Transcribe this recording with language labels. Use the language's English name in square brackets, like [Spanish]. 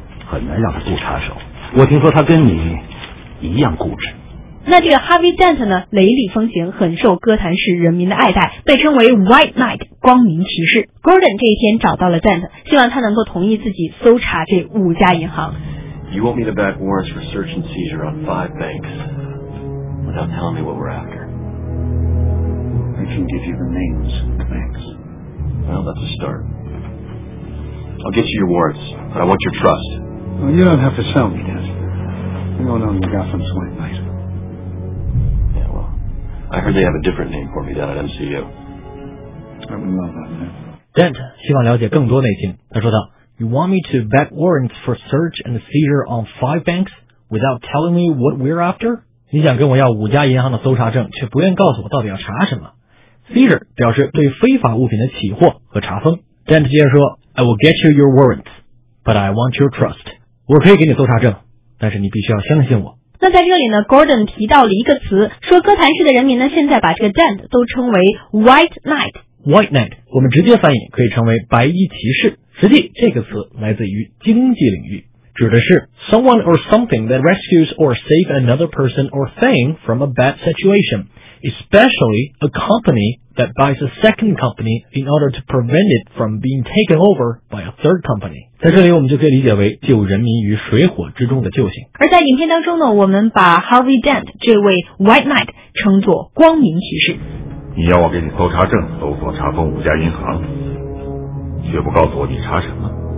[Chinese] 很难让他雇插手。我听说他跟你一样固执。那这个 Harvey Dent 呢，雷厉风行，很受哥谭市人民的爱戴，被称为 White Knight 光明骑士。 Gordon 这一天找到了 Dent， 希望他能够同意自己搜查这五家银行。 [English] You want me to back warrants for search and seizure on five banks without telling me what we're after? I can give you the names of banks. Well, that's a start. I'll get you your warrants, but I want your trust. Well, you don't have to sell me, Dent. We all know you got from White Knight. I heard they have a different name for me down at MCU. I would [Chinese] Dent 希望了解更多内情。他说道 [English] ,You want me to back warrants for search and seizure on five banks without telling me what we're after? [Chinese] 你想跟我要五家银行的搜查证，却不愿告诉我到底要查什么。 Seizure 表示对非法物品的起获和查封。 [English] Dent [Chinese] 接着说 [English] ,I will get you your warrants, but I want your trust. [Chinese] 我可以给你搜查证，但是你必须要相信我。那在这里呢 ,Gordon 提到了一个词，说哥谭市的人民呢现在把这个 Dent 都称为 White Knight。 White Knight, 我们直接翻译可以称为白衣骑士。实际这个词来自于经济领域，指的是 [English] someone or something that rescues or save another person or thing from a bad situation, especially a company that buys a second company in order to prevent it from being taken over by a third company. [Chinese] 在这里我们就可以理解为救人民于水火之中的救星。而在影片当中呢，我们把 Harvey Dent 这位 White Knight 称作光明骑士。你要我给你搜查证，搜索查封五家银行，却不告诉我你查什么。